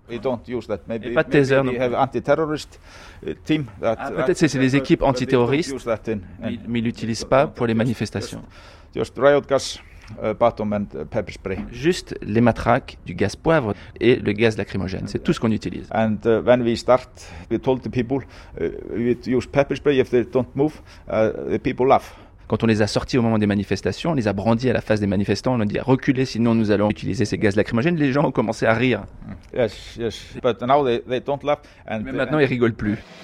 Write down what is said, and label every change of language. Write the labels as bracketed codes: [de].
[en] We don't use that. Maybe, [fr] et pas de tasers. [en] Maybe we have anti-terrorist team that, [fr] peut-être c'est des équipes antiterroristes, mais ils ne l'utilisent pas pour les manifestations. [en] Just riot gas. Bottom and pepper spray. [fr] Juste les matraques, du gaz poivre et le gaz lacrymogène, c'est tout ce qu'on utilise. [en] And when we start, we told the people we use pepper spray if they don't move, the people laugh. [fr] Quand on les a sortis au moment des manifestations, on les a brandis à la face des manifestants, on leur a dit « reculez, sinon nous allons utiliser ces gaz lacrymogènes », les gens ont commencé à rire. [en] Yes, but now they don't laugh. And [fr] mais maintenant, ils rigolent plus.